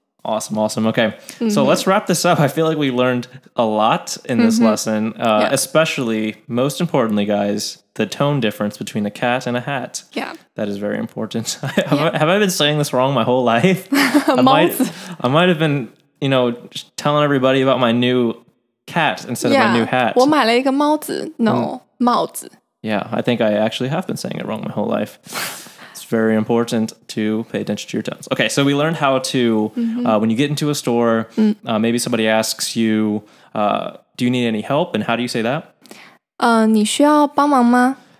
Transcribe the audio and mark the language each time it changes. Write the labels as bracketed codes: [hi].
[en] Awesome. Okay. Mm-hmm. So let's wrap this up. I feel like we learned a lot in this mm-hmm. lesson, yeah. especially, most importantly, guys, the tone difference between a cat and a hat. Yeah. That is very important. Have I been saying this wrong my whole life? I might have been, you know, telling everybody about my new cat instead of my new hat. [zh] 我买了一个帽子 No, 帽子 [en] Yeah, I think I actually have been saying it wrong my whole life. It's very important to pay attention to your tones. Okay, so we learned how to, when you get into a store, maybe somebody asks you, do you need any help? And how do you say that? [zh] 你需要帮忙吗?